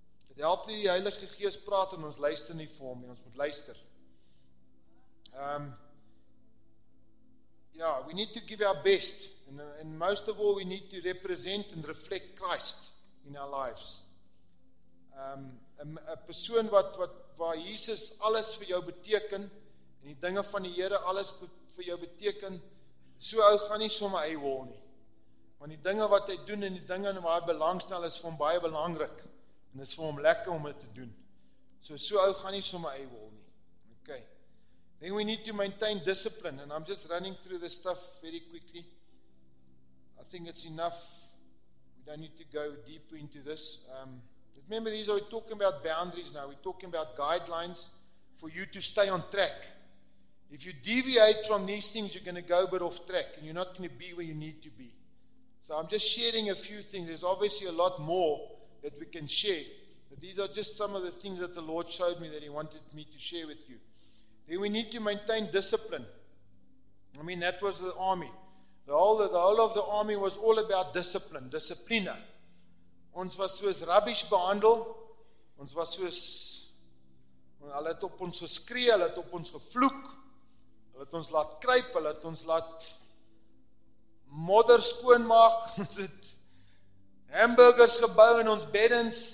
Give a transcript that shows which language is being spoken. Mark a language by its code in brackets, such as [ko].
[af] Dit help die Heilige Gees praat, en ons luister nie vir hom, en ons moet luister. [en] We need to give our best, and most of all we need to represent and reflect Christ in our lives. [af] Een persoon waar Jesus alles vir jou beteken, en die dinge van die Here alles vir jou beteken, so ou gaan nie sommer eiwol nie. Want die dinge wat hy doen, en die dinge waar hy belangstel, is vir hom baie belangrik, en is vir hom lekker om dit te doen. So ou gaan nie sommer eiwol nie. Okay. [en] Then we need to maintain discipline, and I'm just running through this stuff very quickly. I think it's enough. We don't need to go deeper into this. Remember, these are, we're talking about boundaries now. We're talking about guidelines for you to stay on track. If you deviate from these things, you're going to go a bit off track and you're not going to be where you need to be. So I'm just sharing a few things. There's obviously a lot more that we can share. But these are just some of the things that the Lord showed me that He wanted me to share with you. Then we need to maintain discipline. I mean, that was the army. The whole of the army was all about discipline, disciplina. [af] Ons was soos rubbish behandel. Ons was soos, hulle het op ons geskree, hulle het op ons gevloek. Hulle het ons laat kruip, hulle het ons laat modder skoon maak. Ons het hamburgers gebou in ons beddens.